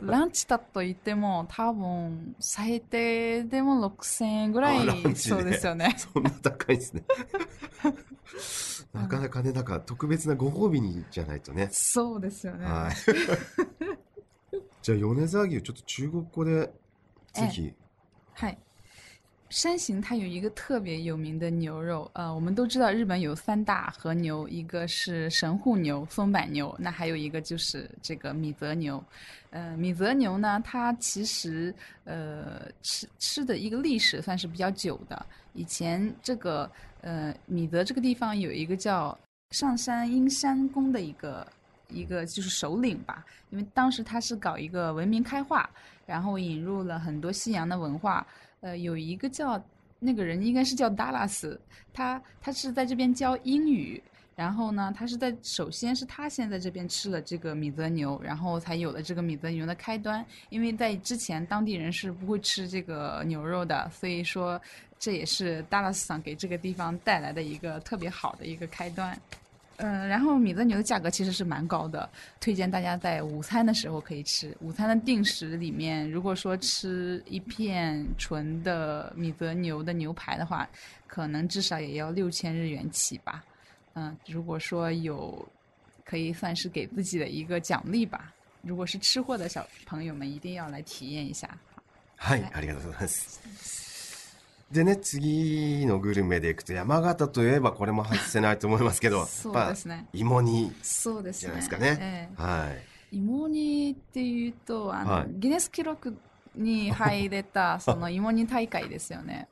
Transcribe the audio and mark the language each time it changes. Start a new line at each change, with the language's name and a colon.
Japanese: ランチだと言っても、多分、最低でも6000円ぐらい。ランチで。そうですよね。そんな高いですね。なかなかね、なんか特別なご褒美にじゃないとね。そうですよね。はい、じゃあ、米沢牛、ちょっと中国語で、ぜひ。
Chinese: 嗨，山形它有一个特别有名的牛肉，我们都知道日本有三大和牛，一个是神户牛、松阪牛，那还有一个就是这个米泽牛。米泽牛呢，它其实吃的一个历史算是比较久的。以前这个米泽这个地方有一个叫上山阴山宫的一个就是首领吧，因为当时他是搞一个文明开化，然后引入了很多西洋的文化。有一个叫那个人应该是叫 Dallas，他是在这边教英语，然后呢，首先是他先在这边吃了这个米泽牛，然后才有了这个米泽牛的开端。因为在之前当地人是不会吃这个牛肉的，所以说这也是 Dallas 想给这个地方带来的一个特别好的一个开端。然后米泽牛的价格其实是蛮高的，推荐大家在午餐的时候可以吃。午餐的定时里面，如果说吃一片纯的米泽牛的牛排的话，可能至少也要6000日元起吧。如果说有，可以算是给自己的一个奖励吧。如果是吃货的小朋友们，一定要来体验一下。
Japanese: はい、ありがとうございます。でね、次のグルメで行くと山形といえばこれも外せないと思いますけど、そうでやっぱすね。芋煮そうですじゃないですね。かね。はい。芋煮っていうと、はギネス記録に入れた、その芋煮大会ですよね。